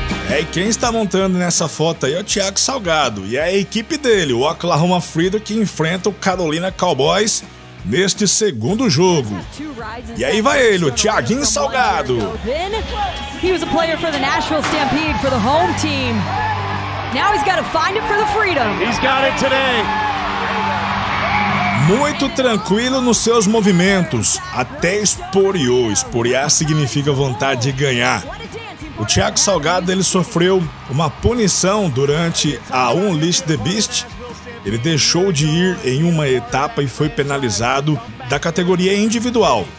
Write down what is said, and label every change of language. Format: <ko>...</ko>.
<pt>É, e quem está montando nessa foto aí é o Thiago Salgado. E é a equipe dele, o Oklahoma Freedom, que enfrenta o Carolina Cowboys neste segundo jogo. E aí vai ele, o Thiaguinho Salgado.</pt> <en>He was a player for the Nashville Stampede, for the home team. Now he's got to find it for the Freedom. He's got it today.</en> <pt>Muito tranquilo nos seus movimentos, até esporeou. Esporear significa vontade de ganhar. O Thiago Salgado, ele sofreu uma punição durante a Unleash the Beast. Ele deixou de ir em uma etapa e foi penalizado da categoria individual.</pt>